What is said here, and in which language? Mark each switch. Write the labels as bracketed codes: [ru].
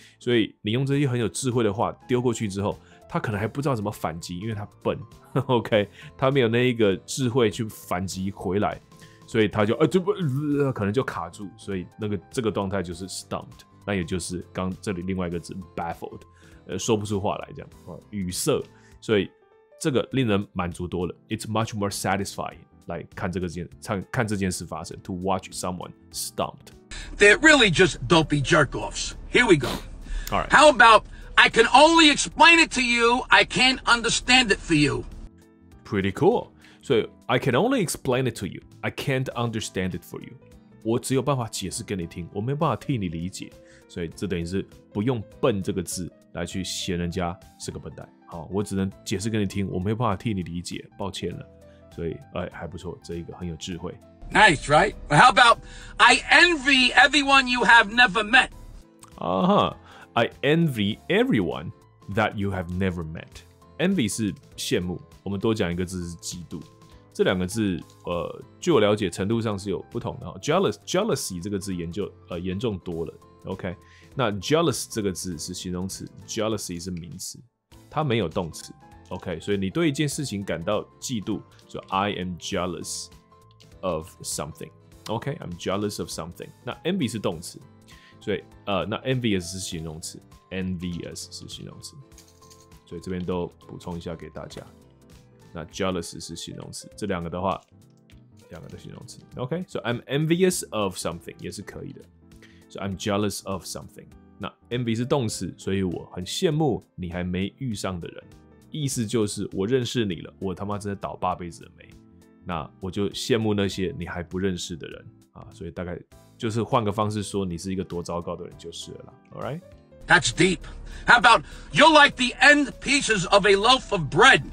[zh] 所以你用这些很有智慧的话丢过去之后，他可能还不知道怎么反击，因为他笨 ，OK， 他没有那一个智慧去反击回来，所以他就可能就卡住，所以那个这个状态就是 stumped， 那也就是刚这里另外一个字 baffled， 说不出话来这样，语塞，所以这个令人满足多了 ， [en] It's much more satisfying [zh] 来看这个看这件事发生 ， [en] to watch someone stumped。 They're really just dopey jerk-offs. Here we go. All right. How about? I can only explain it to you. I can't understand it for you. Pretty cool. So I can only explain it to you. I can't understand it for you. [zh] 我只有办法解释给你听，我没办法替你理解。所以这等于是不用笨这个字来去嫌人家是个笨蛋。好，我只能解释给你听，我没办法替你理解，抱歉了。所以还不错，这一个很有智慧。 [en] Nice, right? How about I envy everyone you have never met? I envy everyone that you have never met. [zh] Envy 是羡慕，我们多讲一个字是嫉妒。这两个字，据我了解，程度上是有不同的。 Jealousy 这个字严重多了。OK， 那 jealous 这个字是形容词 ，jealousy 是名词，它没有动词。 OK， 所以你对一件事情感到嫉妒，就 [en] I am jealous of something. [zh] OK， [en] I'm jealous of something. [zh] 那 envy 是动词。所以，那 envious 是形容词 ，envious 是形容词，所以这边都补充一下给大家。那 jealous 是形容词，这两个的话，两个的形容词。 [en] OK， so I'm envious of something [zh] 也是可以的。 [en] So I'm jealous of something。 [zh] 那 envy 是动词，所以我很羡慕你还没遇上的人，意思就是我认识你了，我他妈真的倒八辈子的霉，那我就羡慕那些你还不认识的人。所以大概就是换个方式说，你是一个多糟糕的人就是了啦。 [en] All right, that's deep. How about you're like the end pieces of a loaf of bread?